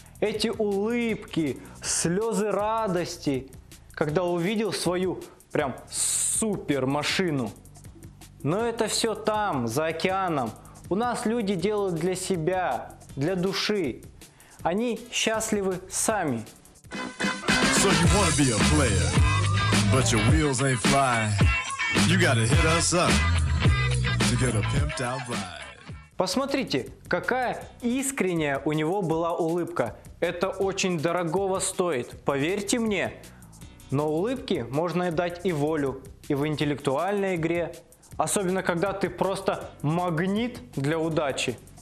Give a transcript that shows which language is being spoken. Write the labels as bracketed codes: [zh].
[ru] Эти улыбки, слезы радости, когда увидел свою прям супер машину. Но это все там, за океаном. У нас люди делают для себя, для души. Они счастливы сами. [en] So you wanna be a player, but your wheels ain't fly. You gotta hit us up. [ru] Посмотрите, какая искренняя у него была улыбка. Это очень дорогого стоит, поверьте мне. Но улыбки можно дать и волю, и в интеллектуальной игре. Особенно, когда ты просто магнит для удачи.